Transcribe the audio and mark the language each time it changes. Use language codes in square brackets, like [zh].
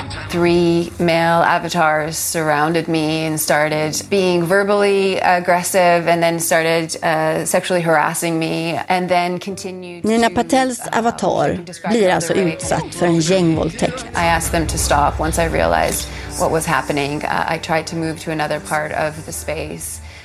[en] Three male avatars surrounded me and started being verbally aggressive and then started sexually harassing me and then continued. [sv] Nina Patels avatar blir alltså utsatt för en gängvåldtäkt. [en] I asked them to stop once I realized what was happening. I tried to move to another part of the space.